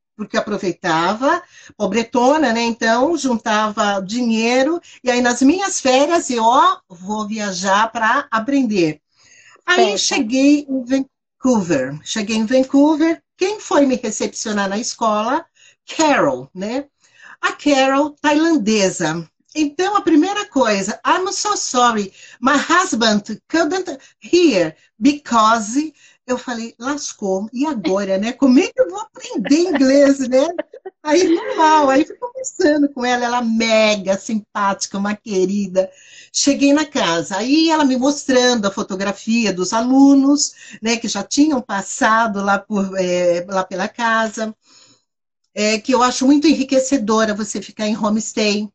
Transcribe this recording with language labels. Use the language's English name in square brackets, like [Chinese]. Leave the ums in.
[Portuguese] Porque aproveitava, pobretona, né? Então, juntava dinheiro, e aí nas minhas férias, eu, ó, vou viajar para aprender. Aí Pensa. cheguei em Vancouver. Cheguei em Vancouver. Quem foi me recepcionar na escola? Carol, né? A Carol, tailandesa. Então, a primeira coisa, [English] I'm so sorry, my husband couldn't hear because [Portuguese] Eu falei, lascou, e agora, né? Como é que eu vou aprender inglês, né? Aí, normal, aí fui conversando com ela, ela mega simpática, uma querida. Cheguei na casa, aí ela me mostrando a fotografia dos alunos, né, que já tinham passado lá, por, é, lá pela casa, é, que eu acho muito enriquecedora você ficar em homestay.